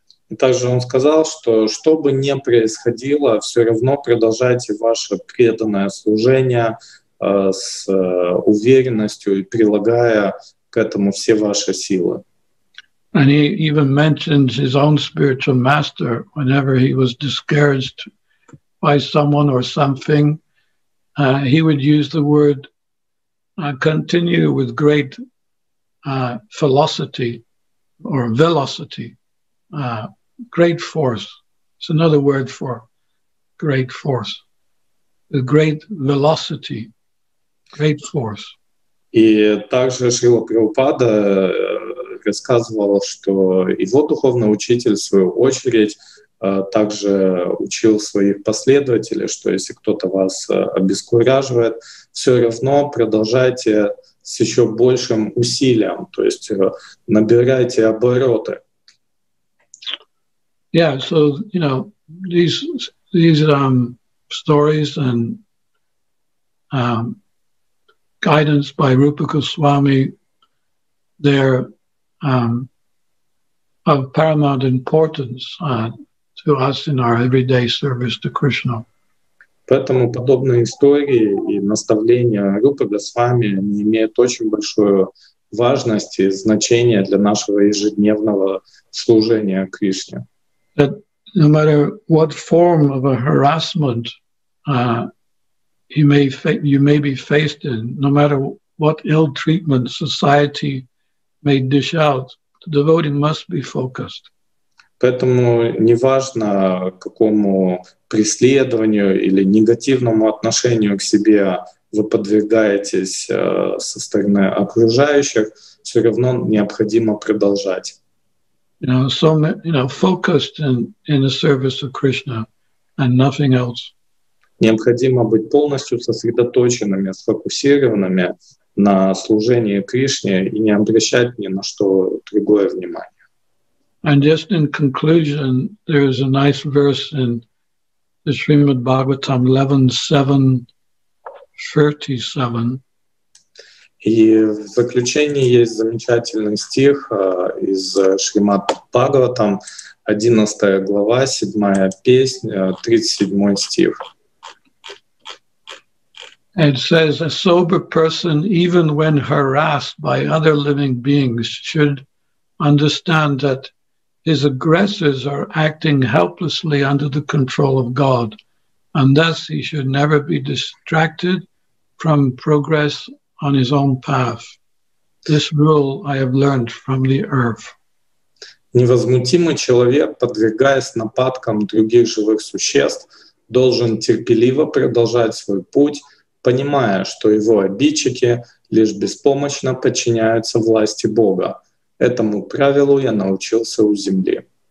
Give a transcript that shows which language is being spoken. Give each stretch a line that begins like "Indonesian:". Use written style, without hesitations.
Russian: И также он сказал, что бы ни происходило, все равно продолжайте ваше преданное служение с уверенностью и прилагая к этому все ваши силы.
English: And he even mentioned his own spiritual master whenever he was discouraged by someone or something, he would use the word continue with great velocity or velocity, great force. It's another word for great force, with great velocity, great force.
Russian: И также Шрила Прабхупада рассказывал, что его духовный учитель, в свою очередь, также учил своих последователей, что если кто-то вас обескураживает, все равно продолжайте с еще большим усилием, то есть набирайте обороты.
English: Yeah, so you know these stories and guidance by Rupa Goswami, they're of paramount importance to us in our everyday service to Krishna.
Russian: Поэтому подобные истории и наставления Рупы Госвами имеют очень большую важность и значение для нашего ежедневного служения Кришне.
English: That no matter what form of a harassment you may be faced in, no matter what ill treatment society may dish out, the devotee must be focused.
Russian: Поэтому неважно, какому преследованию или негативному отношению к себе вы подвергаетесь со стороны окружающих, все равно необходимо продолжать.
English: You know, so you know, focused in the service of Krishna and nothing else.
Russian: Необходимо быть полностью сосредоточенными, сфокусированными на служении Кришне и не обращать ни на что другое внимание.
English: And just in conclusion, there is a nice verse in the Srimad Bhagavatam 11.7.37.
Russian: И в заключении есть замечательный стих из Шримад Бхагаватам, 11 глава, 7 песня, 37 стих.
English: It says, a sober person, even when harassed by other living beings, should understand that his aggressors are acting helplessly under the control of God, and thus he should never be distracted from progress on his own path. This rule I have learned from the earth.
Russian: Невозмутимый человек, подвергаясь нападкам других живых существ, должен терпеливо продолжать свой путь, понимая, что его обидчики лишь беспомощно подчиняются власти Бога. Этому правилу я научился у земли.